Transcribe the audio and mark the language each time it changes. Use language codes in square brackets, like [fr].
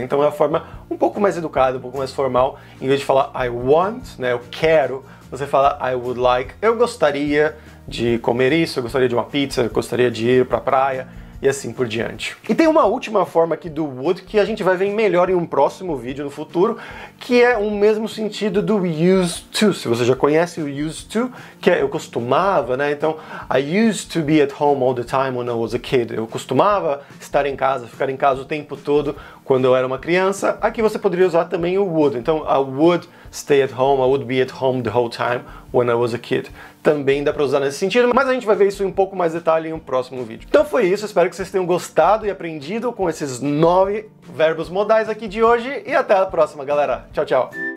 [pt] Então é uma forma um pouco mais educada, um pouco mais formal. Em vez de falar I want, né, eu quero, você fala I would like, eu gostaria de comer isso, eu gostaria de uma pizza, eu gostaria de ir pra praia e assim por diante. E tem uma última forma aqui do would que a gente vai ver melhor em um próximo vídeo no futuro, que é o mesmo sentido do used to. Se você já conhece o used to, que é eu costumava, né? [en] Então, I used to be at home all the time when I was a kid. [pt] Eu costumava estar em casa, ficar em casa o tempo todo quando eu era uma criança. Aqui você poderia usar também o would. [en] Então, I would stay at home, I would be at home the whole time when I was a kid. [pt] Também dá para usar nesse sentido, mas a gente vai ver isso em um pouco mais detalhe em um próximo vídeo. Então foi isso, espero que vocês tenham gostado e aprendido com esses 9 verbos modais aqui de hoje, e até a próxima, galera. Tchau, tchau!